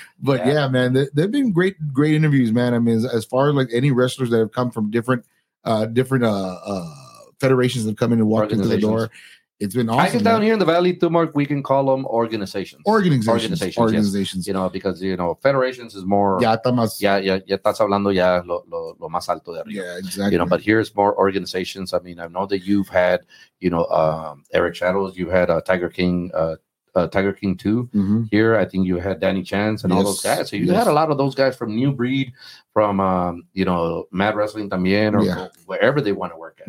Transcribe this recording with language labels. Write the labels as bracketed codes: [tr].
[en] But yeah, man, they've been great, great interviews, man. I mean, as far as like any wrestlers that have come from different federations that have come in and walked into the door, It's been awesome. I think down here in the Valley, too, Mark, we can call them organizations. Organizations. You know, because, you know, federations is more. [es] Ya estás hablando lo más alto de arriba. [en] Yeah, exactly. You know, but here's more organizations. I mean, I know that you've had, you know, Eric Shadows, you've had Tiger King 2 mm-hmm. here. I think you had Danny Chance and all those guys. So you had a lot of those guys from New Breed, from, you know, Mad Wrestling también, or wherever they want to work at.